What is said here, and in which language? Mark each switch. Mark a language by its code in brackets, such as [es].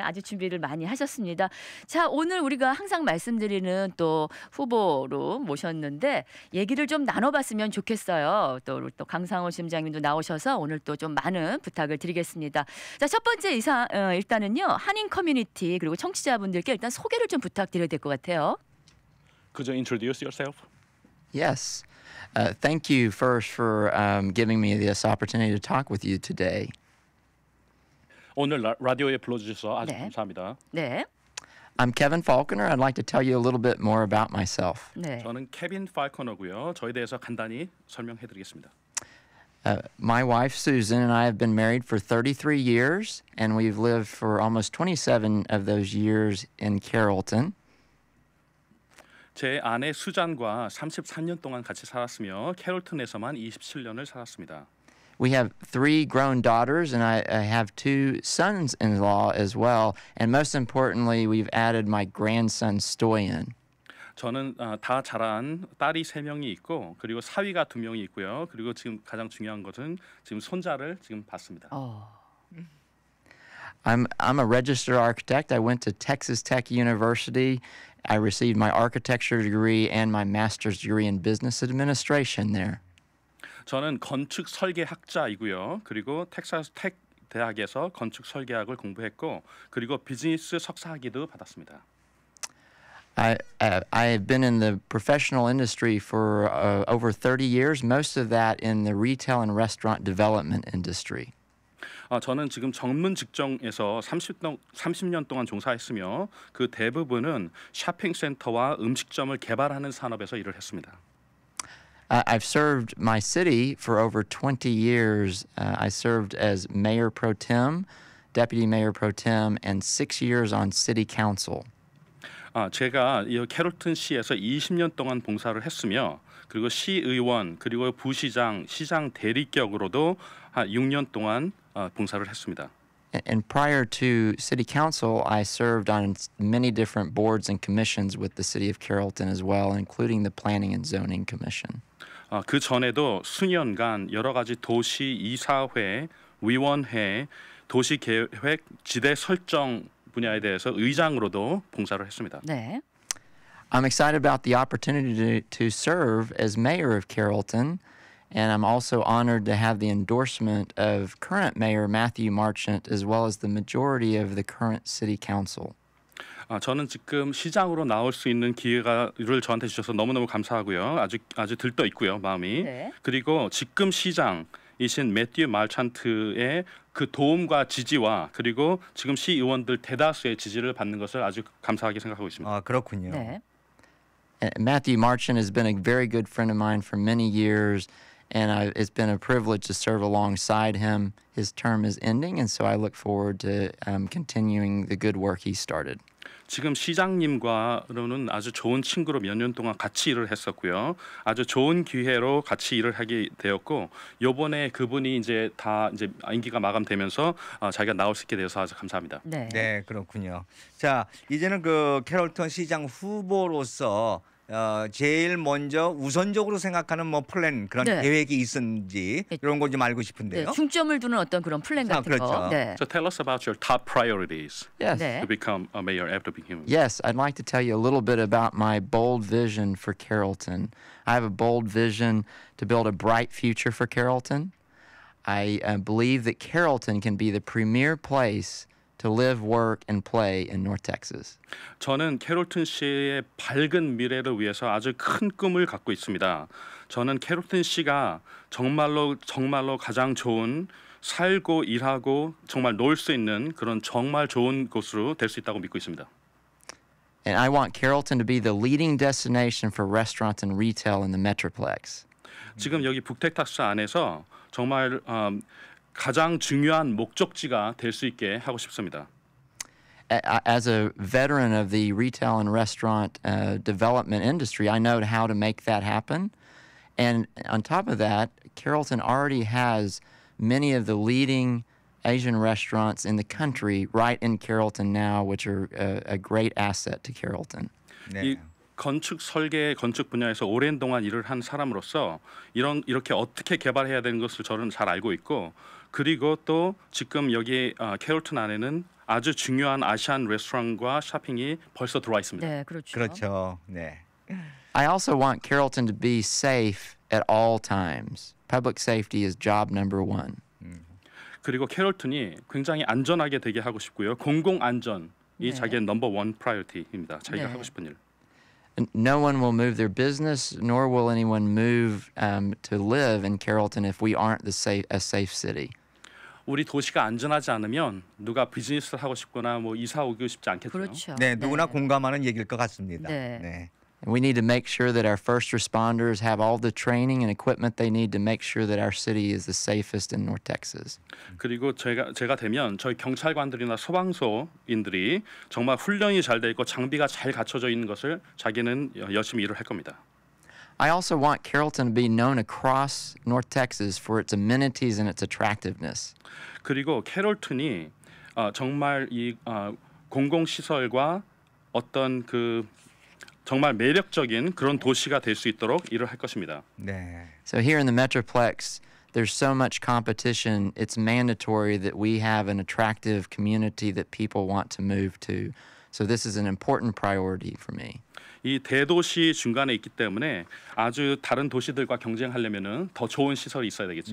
[ko] 아주 준비를 많이 하셨습니다. 자, 오늘 우리가 항상 말씀드리는 또 후보로 모셨는데 얘기를 좀 나눠봤으면 좋겠어요. 또 강상호 팀장님도 나오셔서 오늘 또 좀 많은 부탁을 드리겠습니다. 자, 첫 번째 이상 일단은요 한인 커뮤니티 그리고 청취자분들께 일단 소개를 좀 부탁드려야 될 것 같아요. [en] Could you introduce yourself? Yes. Thank you first for giving me this opportunity to talk with you today. [ko] 오늘 라디오에 불러주셔서 아주 네. 감사합니다. 네. [en] I'm Kevin Falconer. I'd like to tell you a little bit more about myself. [ko] 네. 저는 케빈 팔코너고요. 저에 대해서 간단히 설명해 드리겠습니다. [en] My wife Susan and I have been married for 33 years and we've lived for almost 27 of those years in Carrollton. [ko] 제 아내 수잔과 33년 동안 같이 살았으며 캐롤튼에서만 27년을 살았습니다. [en] We have three grown daughters and I have two sons-in-law as well. And most importantly, we've added my grandson, Stoyan. [ko] 저는 다 자란 딸이 세 명이 있고 그리고 사위가 두 명이 있고요. 그리고 지금 가장 중요한 것은 지금 손자를 지금 봤습니다. [en] I'm a registered architect. I went to Texas Tech University. I received my architecture degree and my master's degree in business administration there. [ko] 저는 건축 설계학자이고요. 그리고 텍사스 텍 대학에서 건축 설계학을 공부했고 그리고 비즈니스 석사 학위도 받았습니다. [en] I have been in the professional industry for over 30 years, most of that in the retail and restaurant development industry. [ko] 저는 지금 전문 직종에서 30년 동안 종사했으며 그 대부분은 쇼핑센터와 음식점을 개발하는 산업에서 일을 했습니다. [en] I've served my city for over 20 years. I served as mayor pro tem, deputy mayor pro tem, and 6 years on city council. [ko] 제가 이 캐롤튼 시에서 20년 동안 봉사를 했으며 그리고 시의원 그리고 부시장 시장 대리격으로도 한 6년 동안 봉사를 했습니다. [en] And prior to city council, I served on many different boards and commissions with the city of Carrollton as well, including the planning and zoning commission. [ko] 그 전에도 수년간 여러 가지 도시 이사회, 위원회, 도시 계획, 지대 설정 분야에 대해서 의장으로도 봉사를 했습니다. 네. [en] I'm excited about the opportunity to serve as mayor of Carrollton. And I'm also honored to have the endorsement of current mayor Matthew Marchant as well as the majority of the current city council. [ko] 저는 지금 시장으로 나올 수 있는 기회를 저한테 주셔서 너무너무 감사하고요. 아주 들떠 있고요, 마음이. 네. 그리고 지금 시장이신 Matthew Marchant의 그 도움과 지지와 그리고 지금 시의원들 대다수의 지지를 받는 것을 아주 감사하게 생각하고 있습니다. 아, 그렇군요. 네. [en] Matthew Marchant has been a very good friend of mine for many years, and it's been a privilege to serve alongside him. His term is ending, and so I look forward to continuing the good work he started. [ko] 지금 시장님과는 아주 좋은 친구로 몇 년 동안 같이 일을 했었고요. 아주 좋은 기회로 같이 일을 하게 되었고, 이번에 그분이 이제 다 이제 임기가 마감되면서 자기가 나올 수 있게 되어서 아주 감사합니다. 네, 네 그렇군요. 자, 이제는 그 캐롤튼 시장 후보로서 제일 먼저 우선적으로 생각하는 뭐 플랜 그런 네. 계획이 있었는지 이런 걸 좀 알고 싶은데요. 네, 중점을 두는 어떤 그런 플랜 같은 그렇죠. 거. 네. [en] So tell us about your top priorities yes. to become a mayor after being human. Yes, I'd like to tell you a little bit about my bold vision for Carrollton. I have a bold vision to build a bright future for Carrollton. I believe that Carrollton can be the premier place to live, work, and play in North Texas. [ko] 저는 캐롤튼 씨의 밝은 미래를 위해서 아주 큰 꿈을 갖고 있습니다. 저는 캐롤튼 씨가 정말로 가장 좋은 살고 일하고 정말 놀 수 있는 그런 정말 좋은 곳으로 될 수 있다고 믿고 있습니다. [en] And I want Carrollton to be the leading destination for restaurants and retail in the Metroplex. [ko] 지금 여기 북텍사스 안에서 정말 가장 중요한 목적지가 될 수 있게 하고 싶습니다. [en] As a veteran of the retail and restaurant development industry, I know how to make that happen. And on top of that, Carrollton already has many of the leading Asian restaurants in the country right in Carrollton now, which are a great asset to Carrollton. [ko] 네. 이 건축 설계, 건축 분야에서 오랜 동안 일을 한 사람으로서 이렇게 어떻게 개발해야 되는 것을 저는 잘 알고 있고 그리고 또 지금 여기 캐롤튼 안에는 아주 중요한 아시안 레스토랑과 쇼핑이 벌써 들어와 있습니다. 네, 그렇죠. 그렇죠. 네. [en] I also want Carrollton to be safe at all times. Public safety is job number one. [ko] 그리고 캐롤튼이 굉장히 안전하게 되게 하고 싶고요. 공공 안전이 네. 자기의 [en] number one priority [ko] 입니다. 자기가 네. 하고 싶은 일. [en] No one will move their business, nor will anyone move to live in Carrollton if we aren't a safe city. [ko] 우리 도시가 안전하지 않으면 누가 비즈니스를 하고 싶거나 뭐 이사 오기 싶지 않겠죠. 그렇죠. 네, 누구나 네. 공감하는 얘기일 것 같습니다. 네. 네. [en] We need to make sure that our first responders have all the training and equipment they need to make sure that our city is the safest in North Texas. [ko] 그리고 제가 되면 저희 경찰관들이나 소방서인들이 정말 훈련이 잘 되고 장비가 잘 갖춰져 있는 것을 자기는 열심히 일을 할 겁니다. [en] I also want Carrollton to be known across North Texas for its amenities and its attractiveness. [ko] 그리고 캐롤튼이 정말 이 공공 시설과 어떤 그 정말 매력적인 그런 도시가 될 수 있도록 일을 할 것입니다. 네. [en] So here in the Metroplex, there's so much competition. It's mandatory that we have an attractive community that people want to move to. So this is an important priority for me. [ko] 이 대도시 중간에 있기 때문에 아주 다른 도시들과 경쟁하려면은 더 좋은 시설이 있어야 되겠죠.